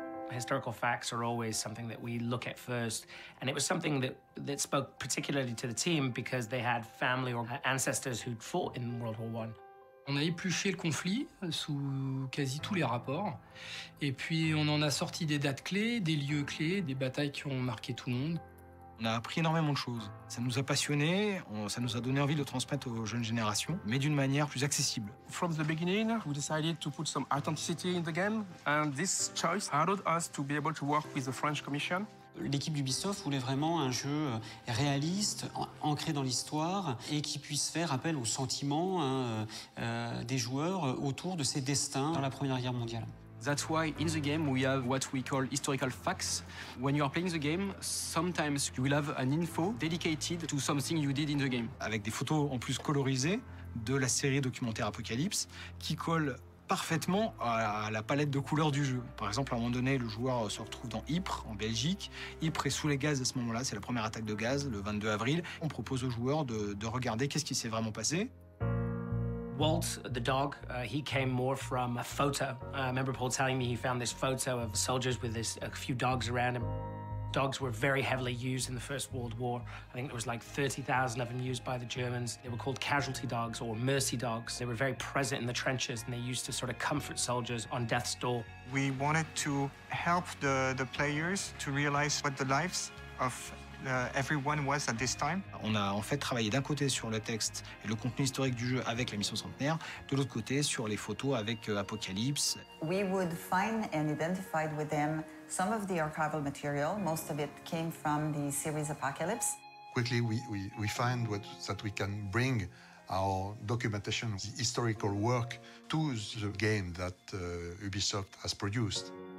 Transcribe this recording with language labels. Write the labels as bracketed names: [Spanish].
[English] Historical facts are always something that we look at first, and it was something that spoke particularly to the team because they had family or ancestors who'd fought in World War I. [French] On a épluché le conflit sous quasi tous les rapports, et puis on en a sorti des dates clés, des lieux clés, des batailles qui ont marqué tout le monde. On a appris énormément de choses. Ça nous a passionnés, ça nous a donné envie de transmettre aux jeunes générations, mais d'une manière plus accessible. [English] From the beginning, we decided to put some authenticity in the game, and this choice allowed us to be able to work with the French Commission. [French] L'équipe d'Ubisoft voulait vraiment un jeu réaliste, ancré dans l'histoire, et qui puisse faire appel aux sentiments des joueurs autour de ces destins dans la Première Guerre mondiale. [English] That's why in the game we have what we call historical facts. When you are playing the game, sometimes you will have an info dedicated to something you did in the game. [French] Avec des photos en plus colorisées de la série documentaire Apocalypse qui collent parfaitement à la palette de couleurs du jeu. Par exemple, à un moment donné, le joueur se retrouve dans Ypres, en Belgique. Ypres est sous les gaz à ce moment-là, c'est la première attaque de gaz, le 22 avril. On propose au joueur de regarder qu'est-ce qui s'est vraiment passé. [English] Walt, the dog, he came more from a photo. I remember Paul telling me he found this photo of soldiers with a few dogs around him. Dogs were very heavily used in the First World War. I think there was like 30,000 of them used by the Germans. They were called casualty dogs or mercy dogs. They were very present in the trenches and they used to sort of comfort soldiers on death's door. We wanted to help the players to realize what the lives of everyone was at this time. [French] On a en fait travaillé d'un côté sur le texte et le contenu historique du jeu avec la mission centenaire, de l'autre côté sur les photos avec Apocalypse. [English] We would find and identify with them some of the archival material. Most of it came from the series Apocalypse. Quickly, we find what that we can bring our documentation, the historical work, to the game that Ubisoft has produced.